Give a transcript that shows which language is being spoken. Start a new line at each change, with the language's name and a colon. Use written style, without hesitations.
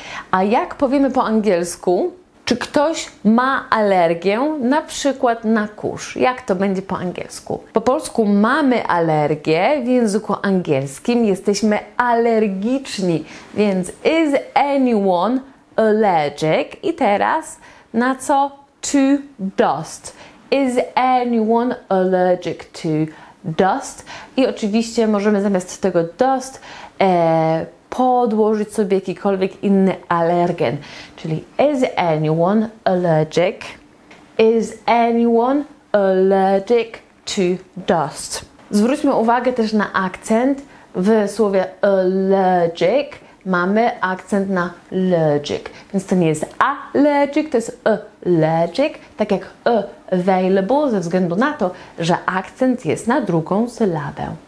Polish: A jak powiemy po angielsku, czy ktoś ma alergię na przykład na kurz? Jak to będzie po angielsku? Po polsku mamy alergię, w języku angielskim jesteśmy alergiczni, więc
English: is anyone allergic?
Polish: I teraz na co?
English: To dust. Is anyone allergic to dust?
Polish: I oczywiście możemy zamiast tego dust podłożyć sobie jakikolwiek inny alergen. Czyli
English: is anyone allergic? Is anyone allergic to dust?
Polish: Zwróćmy uwagę też na akcent. W słowie allergic mamy akcent na logic, więc to nie jest allergic, to jest allergic, tak jak available, ze względu na to, że akcent jest na drugą sylabę.